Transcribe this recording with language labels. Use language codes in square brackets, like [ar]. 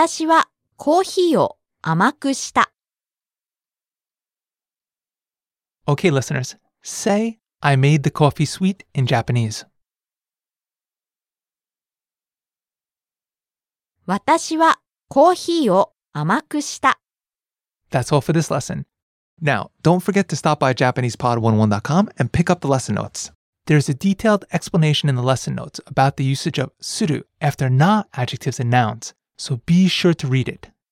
[ja] 私はコーヒーを甘くした. [en] Okay, listeners. Say, I made the coffee sweet in Japanese. [ja] 私はコーヒーを甘くした. [en] That's all for this lesson. Now, don't forget to stop by JapanesePod11.com and pick up the lesson notes. There's a detailed explanation in the lesson notes about the usage of する after な adjectives and nouns, so be sure to read it.